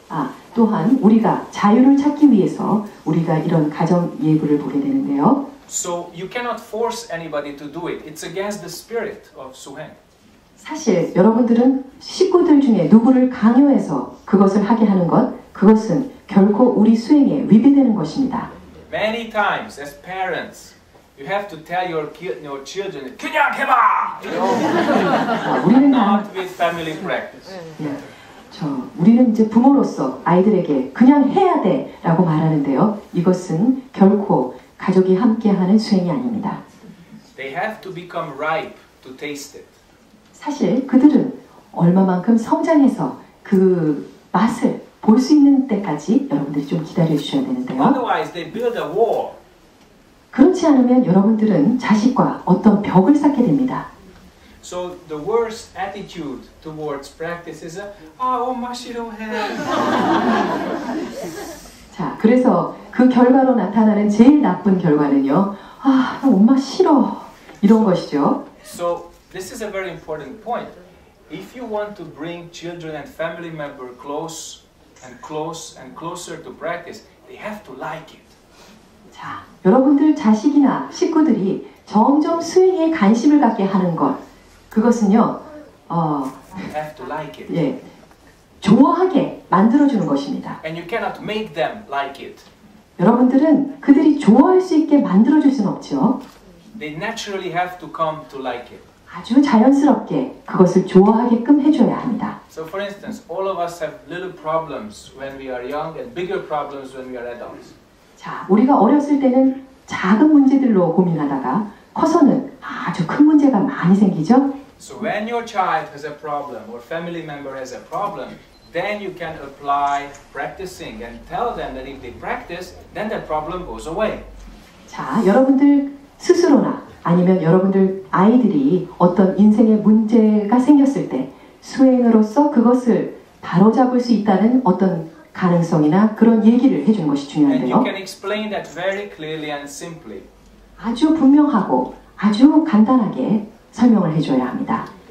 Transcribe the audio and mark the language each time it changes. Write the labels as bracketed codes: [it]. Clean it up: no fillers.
[ko] 아, 또한 우리가 자유를 찾기 위해서 우리가 이런 가정 예불을 보게 되는데요. [en] So you cannot force anybody to do it. It's against the spirit of suheng. [ko] 사실 여러분들은 식구들 중에 누구를 강요해서 그것을 하게 하는 것, 그것은 결코 우리 수행에 위배되는 것입니다. [en] Many times as parents, you have to tell your children, [ko] 그냥 해봐. [en] Not with family practice. [ko] 우리는 이제 부모로서 아이들에게 그냥 해야 돼라고 말하는데요. 이것은 결코 가족이 함께하는 수행이 아닙니다. [en] They have to become ripe to taste it. [ko] 사실 그들은 얼마만큼 성장해서 그 맛을 볼 수 있는 때까지 여러분들이 좀 기다려 주셔야 되는데요. [en] Otherwise, they build a wall. [ko] 그렇지 않으면 여러분들은 자식과 어떤 벽을 쌓게 됩니다. [en] So the worst attitude towards practice is a [ko] 자, 그래서 그 결과로 나타나는 제일 나쁜 결과는요. 아, 엄마 싫어. 이런 것이죠. [en] So this is a very important point. If you want to bring children and family member close and close and closer to practice, they have to like it. [ko] 자, 여러분들 자식이나 식구들이 점점 수행에 관심을 갖게 하는 것, 그것은요, [en] you have to like it. [ko] 예, 좋아하게 만들어주는 것입니다. [en] And you cannot make them like it. [ko] 여러분들은 그들이 좋아할 수 있게 만들어줄 수는 없죠. [en] They naturally have to come to like it. [ko] 아주 자연스럽게 그것을 좋아하게끔 해줘야 합니다. [en] So for instance, all of us have little problems when we are young and bigger problems when we are adults. [ko] 자, 우리가 어렸을 때는 작은 문제들로 고민하다가 커서는 아주 큰 문제가 많이 생기죠. [en] So when your child has a problem or family member has a problem, then you can apply practicing and tell them that if they practice, then the problem goes away. [ko] 자, 여러분들 스스로나 아니면 여러분들 아이들이 어떤 인생의 문제가 생겼을 때 수행으로서 그것을 바로잡을 수 있다는 어떤 가능성이나 그런 얘기를 해준 것이 중요한데요. [en] And you can explain that very clearly and simply. [ko] 아주 분명하고 아주 간단하게 설명을 해줘야 합니다.